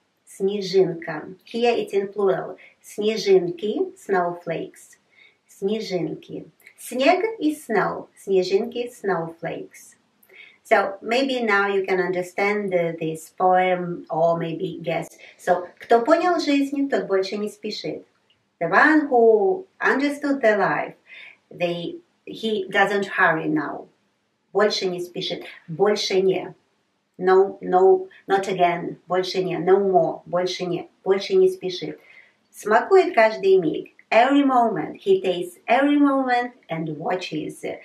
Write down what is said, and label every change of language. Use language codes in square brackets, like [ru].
[en] Снежинка. Here it's in plural. Снежинки, snowflakes. Снежинки. Снег is snow. Снежинки, snowflakes. So maybe now you can understand this poem or maybe guess. [ru] So, кто понял жизнь, тот больше не спешит. [en] The one who understood the life, he doesn't hurry now. [ru] Больше не спешит. Больше не. [en] No, no, not again. [ru] Больше не. [en] No more. [ru] Больше не. Больше не спешит. Смакует каждый миг. [en] Every moment. He tastes every moment and watches.